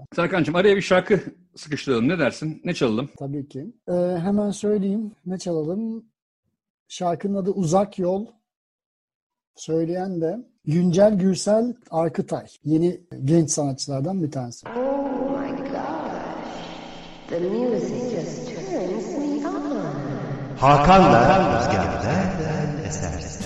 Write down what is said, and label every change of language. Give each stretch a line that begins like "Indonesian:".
Turkish: Serkan'cığım, araya bir şarkı sıkıştıralım. Ne dersin? Ne çalalım? Tabii ki. Hemen söyleyeyim. Ne çalalım? Şarkının adı Uzak Yol. Söyleyen de Güncel Gürsel Arkıtay. Yeni genç sanatçılardan bir tanesi.
English: Oh my gosh. The music just turns me on.
Turkish: Hakan'la Rüzgar'dan eser.